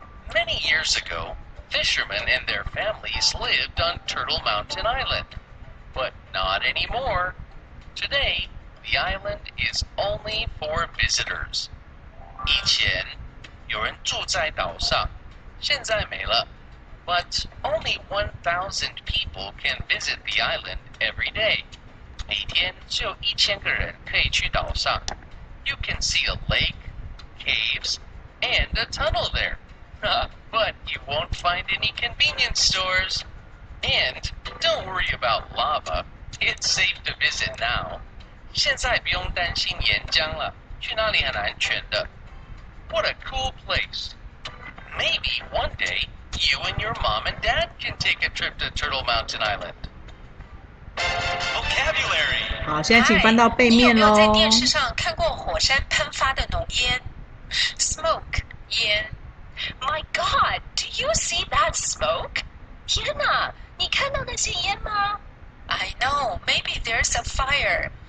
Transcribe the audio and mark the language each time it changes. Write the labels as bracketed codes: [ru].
[en] Many years ago, fishermen and their families lived on Turtle Mountain Island, but not anymore. Today, The island is only for visitors. [zh] 以前有人住在岛上，现在没了。 [en] But only 1,000 people can visit the island every day. [zh] 每天只有一千个人可以去岛上。 [en] You can see a lake, caves, and a tunnel there. But you won't find any convenience stores. And don't worry about lava. It's safe to visit now. [zh] 现在不用担心岩浆了，去那里很安全的。 [en] What a cool place. Maybe one day, you and your mom and dad can take a trip to Turtle Mountain Island. Vocabulary. [zh] 好，现在请翻到背面咯。你有没有在电视上看过火山喷发的浓烟？ [en] Smoke, 烟。My God, do you see that smoke? [zh] 天哪，你看到那些烟吗？ [en] I know, maybe there's a fire.